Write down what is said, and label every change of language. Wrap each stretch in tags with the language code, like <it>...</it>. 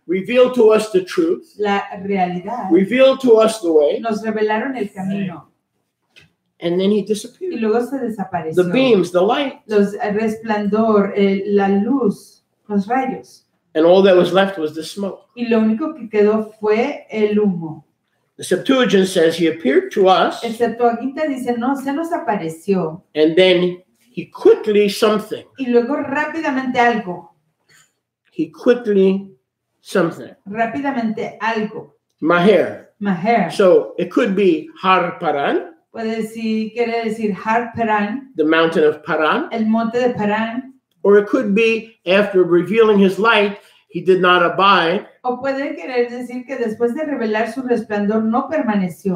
<en>Revealed to us the truth.</en> <es>La realidad.</es> <en>Revealed to us the way.</en> <es>Nos revelaron el camino.</es> <en>And then he disappeared.</en> <es>Y luego se desapareció.</es> <en>The beams, the light.</en> <es>Los resplandor, la luz, los rayos.</es> <en>And all that was left was the smoke.</en> <es>Y lo único que quedó fue el humo.</es> <en>The Septuagint says he appeared to us.</en> <es>El Septuaginta dice, no, se nos apareció.</es> <en>And then he quickly something.</en> <es>Y luego rápidamente algo.</es> <en>He quickly something.</en> <es>Rápidamente algo.</es> <he>Maher. Maher.</he> <en>So it could be Har Paran.</en> <es>Puede decir, quiere decir Har Paran.</es> <en>The mountain of Paran.</en> <es>El monte de Paran.</es> <en>Or it could be after revealing his light, he did not abide.</en> <es>O puede querer decir que después de revelar su resplandor no permaneció.</es>